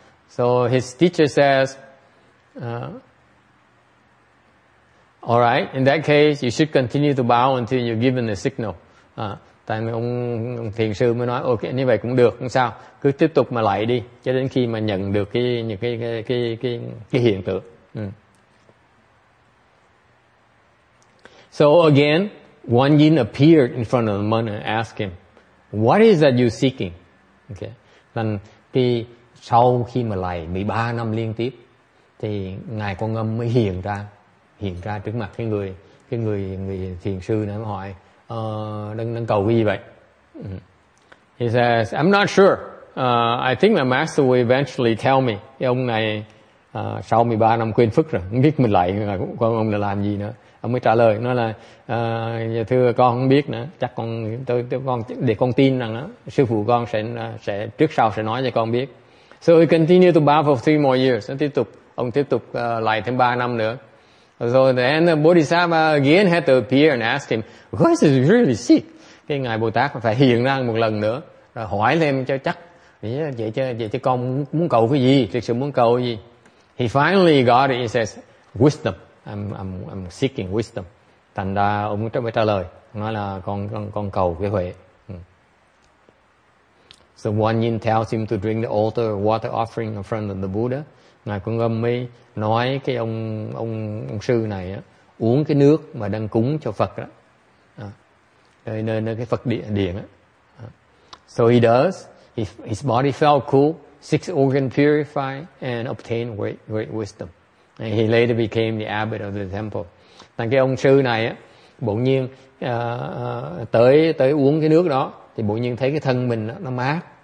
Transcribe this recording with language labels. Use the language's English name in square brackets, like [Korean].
[English] So his teacher says, all right, in that case, you should continue to bow until you're given the signal. [Vietnamese] Tại ông thiền sư mới nói, ok, như vậy cũng được, không sao, cứ tiếp tục mà lạy đi, cho đến khi mà nhận được cái hiện tượng. [English] So again, Wan Yin appeared in front of the monk and asked him, what is that you're seeking? Okay. [Vietnamese] Then, sau khi mà lạy 13 năm liên tiếp, thì ngài Quan Âm mới hiện ra trước mặt cái người thiền sư này, mới hỏi đang cầu cái gì vậy. [English] He says, I'm not sure, I think my master will eventually tell me. [Vietnamese] Cái ông này sau 13 năm quên phức rồi, không biết mình lại ngài Quan Âm là làm gì nữa. Ông mới trả lời, nói là thưa con không biết nữa, chắc con tôi con để con tin rằng đó, sư phụ con sẽ trước sau sẽ nói cho con biết. [English] So he continued to bow for 3 more years. [Vietnamese] Ông tiếp tục lại thêm 3 năm nữa. [English] So then the Bodhisattva again had to appear and ask him, what is really sick? [Vietnamese] Cái ngài Bồ Tát phải hiện ra một lần nữa, rồi hỏi thêm cho chắc, vậy chứ con muốn cầu cái gì, thực sự muốn cầu cái gì? [English] He finally got it, he says, wisdom. I'm seeking wisdom. [Vietnamese] Thành ra ông mới trả lời, nói là con cầu cái huệ. [English] So Wan Yin tells him to drink the altar water offering in front of the Buddha. [Vietnamese] Ngài Quan Âm mới nói cái ông sư này á, uống cái nước mà đang cúng cho Phật đó. Nơi cái Phật điện á. [English] So he does, his body felt cool, six organ purified and obtained great wisdom. And he later became the abbot of the temple. [Vietnamese] Thành cái ông sư này á, bỗng nhiên tới uống cái nước đó thì bỗng nhiên thấy cái thân mình nó mát.